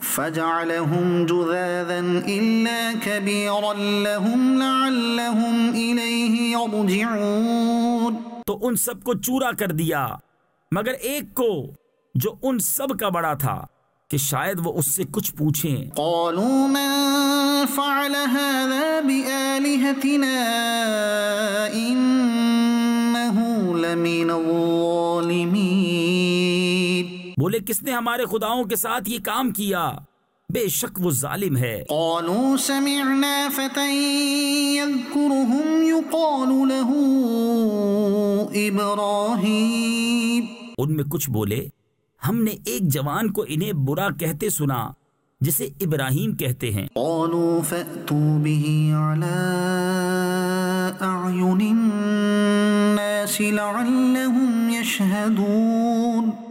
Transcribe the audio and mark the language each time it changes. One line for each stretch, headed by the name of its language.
Arabic: فَجَعْلَهُمْ جُذَاذًا إِلَّا كَبِيرًا لَهُمْ لَعَلَّهُمْ إِلَيْهِ يَرْجِعُونَ
Urdu: تو ان سب کو چورا کر دیا مگر ایک کو جو ان سب کا بڑا تھا کہ شاید وہ اس سے کچھ پوچھیں
Arabic: قالوا من فعل هذا بآلہتنا انہ لمن الظالمین
Urdu: بولے کس نے ہمارے خداؤں کے ساتھ یہ کام کیا بے شک وہ ظالم ہے
Arabic: قالوا سمعنا فتى يذكرهم يقال له ابراہیم
Urdu: ان میں کچھ بولے ہم نے ایک جوان کو انہیں برا کہتے سنا جسے ابراہیم کہتے ہیں
Arabic: قالوا فأتوا به على اعین الناس لعلهم يشهدون